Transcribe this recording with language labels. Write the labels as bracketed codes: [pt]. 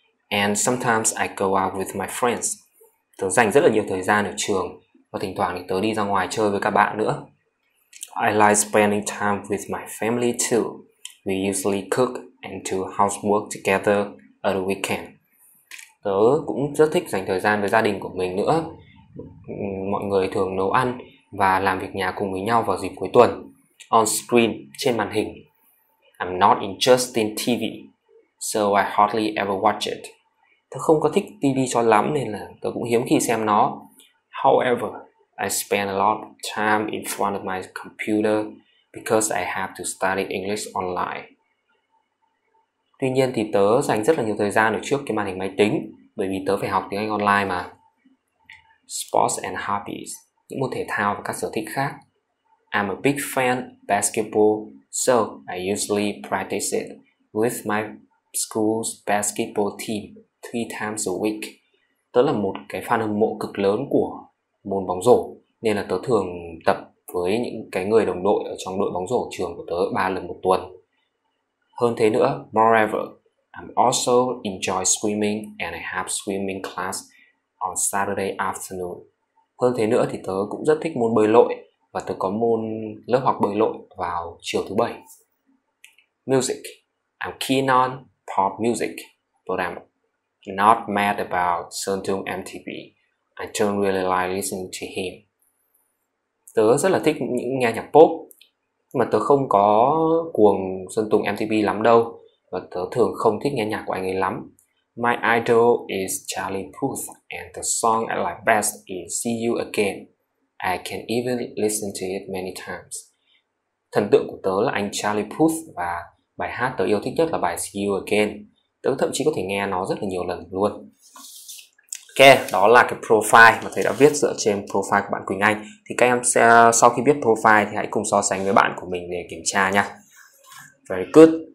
[en] And sometimes I go out with my friends. [vi] Tớ dành rất là nhiều thời gian ở trường và thỉnh thoảng thì tớ đi ra ngoài chơi với các bạn nữa. [en] I like spending time with my family too. We usually cook and do housework together at the weekend. [vi] Tớ cũng rất thích dành thời gian với gia đình của mình nữa. Mọi người thường nấu ăn và làm việc nhà cùng với nhau vào dịp cuối tuần. [en] On screen, [vi] trên màn hình. [en] I'm not interested in TV, so I hardly ever watch it. [vi] Tớ không có thích TV cho lắm nên là tớ cũng hiếm khi xem nó. [en] However, I spend a lot of time in front of my computer because I have to study English online. [vi] Tuy nhiên thì tớ dành rất là nhiều thời gian ở trước cái màn hình máy tính bởi vì tớ phải học tiếng Anh online mà. [en] Sports and hobbies, [vi] những môn thể thao và các sở thích khác. [en] I'm a big fan of basketball, so I usually practice it with my school's basketball team 3 times a week. [vi] Tớ là một cái fan hâm mộ cực lớn của môn bóng rổ nên là tớ thường tập với những cái người đồng đội ở trong đội bóng rổ trường của tớ 3 lần một tuần. Hơn thế nữa, [en] moreover, I'm also enjoy swimming and I have swimming class on Saturday afternoon. [vi] Hơn thế nữa thì tớ cũng rất thích môn bơi lội và tớ có môn lớp học bơi lội vào chiều thứ bảy. [en] Music. I'm keen on pop music, but I'm not mad about Sơn Tùng MTV. I don't really like listening to him. [vi] Tớ rất là thích những nghe nhạc pop, mà tớ không có cuồng Sơn Tùng MTV lắm đâu, và tớ thường không thích nghe nhạc của anh ấy lắm. [en] My idol is Charlie Puth, and the song I like best is See You Again. I can even listen to it many times. [vi] Thần tượng của tớ là anh Charlie Puth và bài hát tớ yêu thích nhất là bài See You Again. Tớ thậm chí có thể nghe nó rất là nhiều lần luôn. Ok, đó là cái profile mà thầy đã viết dựa trên profile của bạn Quỳnh Anh. Thì các em sẽ, sau khi viết profile thì hãy cùng so sánh với bạn của mình để kiểm tra nha. [en] Very good.